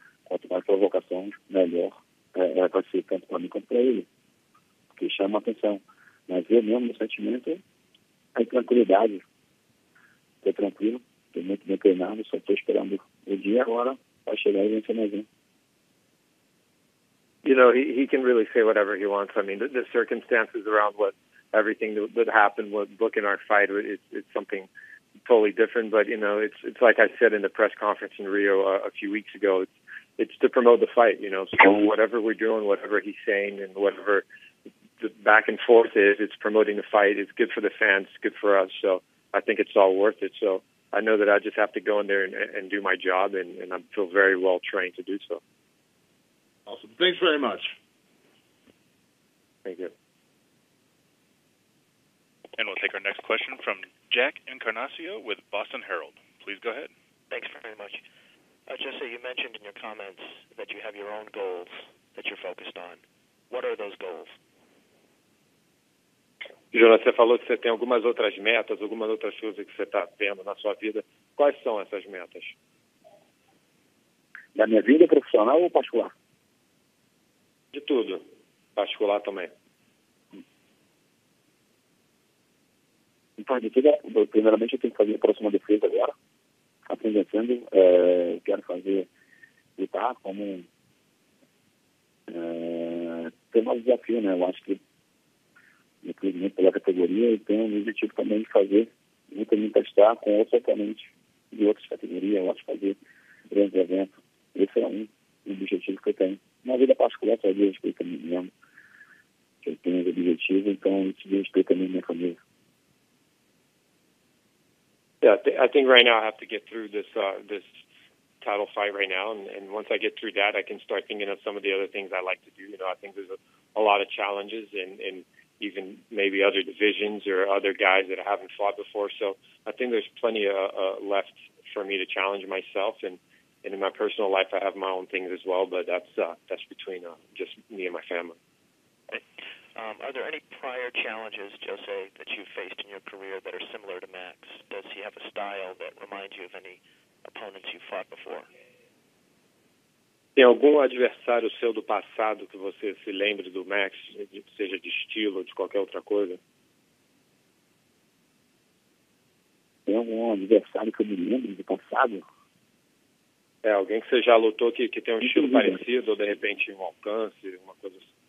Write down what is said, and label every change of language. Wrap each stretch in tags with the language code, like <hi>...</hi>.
<pt>Quanto mais provocações, melhor vai ser tanto para mim quanto para ele. Porque chama atenção. Mas eu mesmo, meu sentimento é a tranquilidade. Estou tranquilo, estou muito bem treinado, só estou esperando o dia agora para chegar e vencer mais um.</pt> <en>You know, he can really say whatever he wants. I mean, the circumstances around what everything that happened with booking our fight, it's something totally different. But, you know, it's like I said in the press conference in Rio a few weeks ago, it's to promote the fight, you know. So whatever we're doing, whatever he's saying and whatever the back and forth is, it's promoting the fight. It's good for the fans. It's good for us. So I think it's all worth it. So I know that I just have to go in there and do my job, and I feel very well trained to do so. Awesome. Thanks very much. Thank you. And we'll take our next question from Jack Encarnacio with Boston Herald. Please go ahead. Thanks very much. Jesse, you mentioned in your comments that you have your own goals that you're focused on. What are those goals?</en> <pt>Jonas, você falou que você tem algumas outras metas, algumas outras coisas que você está vendo na sua vida. Quais são essas metas? Da minha vida profissional ou particular? De tudo. Particular também. Então, de tudo, primeiramente, eu tenho que fazer a próxima defesa agora. Apresentando, quero fazer lutar como... tem mais desafio, né? Eu acho que, independente pela categoria, eu tenho um objetivo também de fazer muito me testar com outros oponentes de outras categorias. Eu acho fazer grandes eventos. Esse é um objetivo que eu tenho. Na vida particular, só diz respeito a mim mesmo. Eu tenho esse objetivo, então isso diz respeito a mim e minha família.</pt> <en>Yeah, I think right now I have to get through this this title fight right now, and once I get through that, I can start thinking of some of the other things I like to do. You know, I think there's a lot of challenges and even maybe other divisions or other guys that I haven't fought before. So I think there's plenty left for me to challenge myself, and in my personal life I have my own things as well, but that's between just me and my family. Are there any prior challenges, Jose, that you've faced in your career that are similar to Max? Does he have a style that reminds you of any opponents you've fought before?</en> <pt>Tem algum adversário seu do passado que você se lembre do Max, seja de estilo ou de qualquer outra coisa? Tem algum adversário que eu me lembre do passado? É, alguém que você já lutou que tem um estilo parecido, ou de repente um alcance, uma coisa assim.</pt>